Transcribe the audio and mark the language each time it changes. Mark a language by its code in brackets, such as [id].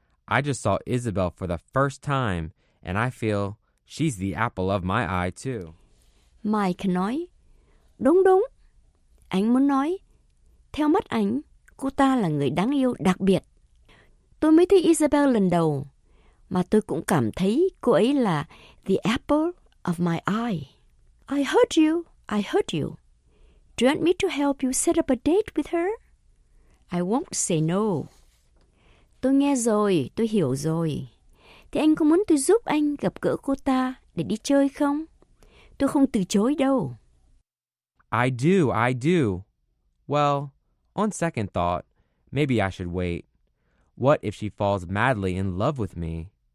[en] I just saw Isabel for the first time and I feel she's the apple of my eye too. [vi] Mike nói, đúng đúng. ảnh muốn nói. Theo mắt ảnh, cô ta là người đáng yêu đặc biệt. Tôi mới thấy Isabel lần đầu, mà tôi cũng cảm thấy cô ấy là [en] the apple of my eye. I heard you. I heard you. Do you want me to help you set up a date with her? I won't say no. [vi] Tôi nghe rồi, tôi hiểu rồi. Thế anh có muốn tôi giúp anh gặp gỡ cô ta để đi chơi không? Tôi không từ chối đâu. [en] I do, I do. Well, on second thought, maybe I should wait. What if she falls madly in love with me?